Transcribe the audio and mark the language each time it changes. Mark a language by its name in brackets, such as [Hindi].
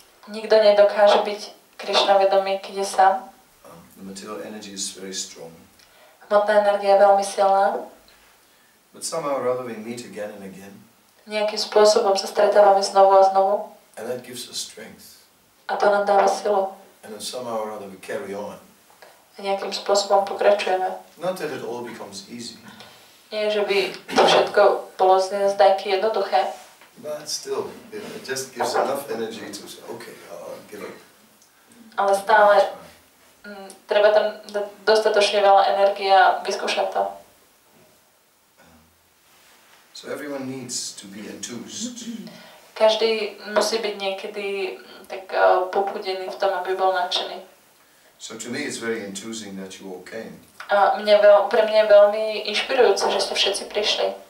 [Slovak] Nikto nedokáže byť Krishna vedomý, keď je sám. [English] The material energy is very strong. [Slovak] Hmotná energia je veľmi silná. [English] But somehow or other we meet again and again. [Slovak] Nejakým spôsobom sa stretávame znovu a znovu. [English] And that gives us strength. [Slovak] A to nám dáva silu. [English] And then somehow or other we carry on. [Slovak] A nejakým spôsobom pokračujeme. [English] Not that it all becomes easy. [Slovak] Nie, že by to všetko bolo z nezdajky jednoduché. [English] But still, it just gives enough energy to say, okay, I'll give up. [Slovak] Ale stále treba tam dostatočne veľa energie a vyskúšať to. [English] So everyone needs to be enthused. [Slovak] Každý musí byť niekedy tak popudený v tom, aby bol nadšený. [English] So to me it's very enthusing that you all came. [Slovak] A pre mňa je veľmi inšpirujúce, že ste všetci prišli.